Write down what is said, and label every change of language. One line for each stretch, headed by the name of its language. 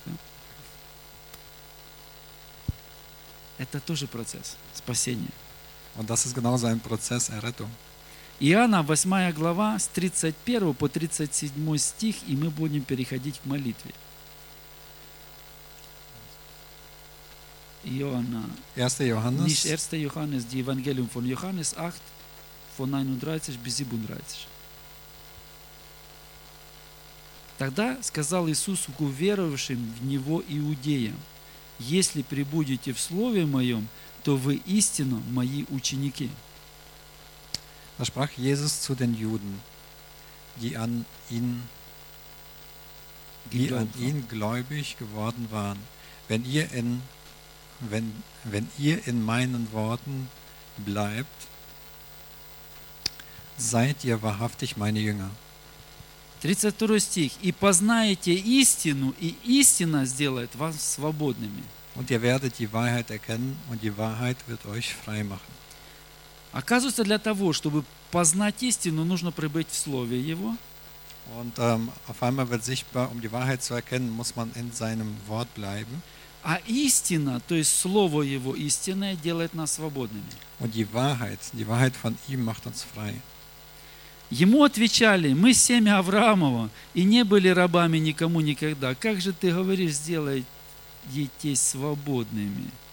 German: Ja?
Russian: Это тоже процесс спасения.
German: Und das ist genau sein Prozess Errettung.
Russian: Иоанна, 8 глава, с 31 по 37 стих, и мы будем переходить к молитве. Иоанна,
German: 1. Johannes, nicht 1. Johannes, die Evangelium von Johannes 8, von 31 bis 37.
Russian: Тогда сказал Иисус к уверовавшим в Него иудеям: «Если пребудете в Слове Моем, то вы истинно Мои ученики».
German: Da sprach Jesus zu den Juden, die an ihn gläubig geworden waren: Wenn ihr in meinen Worten bleibt, seid ihr wahrhaftig meine Jünger.
Russian: 32 стих. И познаете истину, и истина сделает вас свободными.
German: Und ihr werdet die Wahrheit erkennen, und die Wahrheit wird euch frei machen.
Russian: Оказывается, для того, чтобы познать истину, нужно пребыть в Слове Его.
German: Und auf einmal wird sichtbar, um die Wahrheit zu erkennen, muss man in seinem Wort bleiben.
Russian: А истина, то есть Слово Его истинное, делает нас свободными.
German: Und die Wahrheit von ihm macht uns frei.
Russian: Ему отвечали: мы семя Авраамова и не были рабами никому никогда. Как же ты говоришь, сделай детей свободными?